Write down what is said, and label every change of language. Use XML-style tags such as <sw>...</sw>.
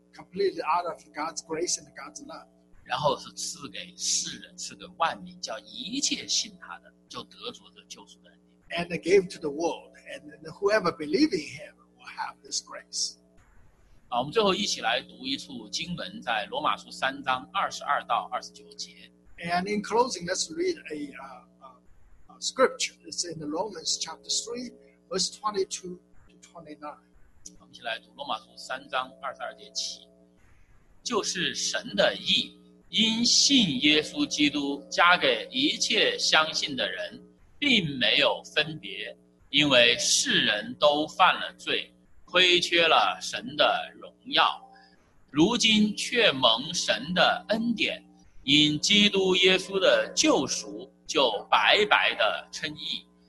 <en>Completely out of God's grace and God's love.</en> <zh>然后是赐给世人，赐给万民，叫一切信他的就得着这救赎的恩典。</zh> <en>And gave to the world, and whoever believes in Him will have this grace.</en> <zh>好，我们最后一起来读一处经文，在罗马书三章二十二到二十九节。</zh> <en>And in closing, let's read a scripture. It's in Romans chapter 3. Verse 22-29.</en> <zh>我们先来读罗马书三章二十二节起，就是神的义，因信耶稣基督加给一切相信的人，并没有分别，因为世人都犯了罪，亏缺了神的荣耀，如今却蒙神的恩典，因基督耶稣的救赎，就白白的称义。</zh>